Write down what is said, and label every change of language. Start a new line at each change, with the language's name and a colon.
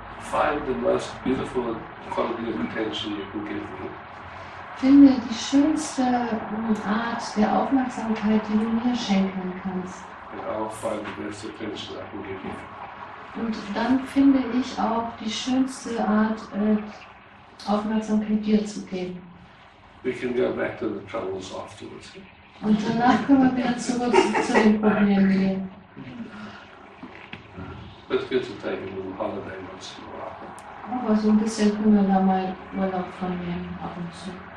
English: Find the most beautiful quality of intention you can give me.
German: Finde die schönste Art der Aufmerksamkeit, die du mir schenken kannst.
English: And I'll find the best attention I can give you.
German: Und dann finde ich auch die schönste Art, Aufmerksamkeit dir zu geben.
English: We can go back to the troubles afterwards.
German: Und danach können wir wieder zurück zu den Problemen gehen.
English: It's good to take a little holiday once in a while.
German: Aber so ein bisschen können wir da mal Urlaub von nehmen, ab und zu.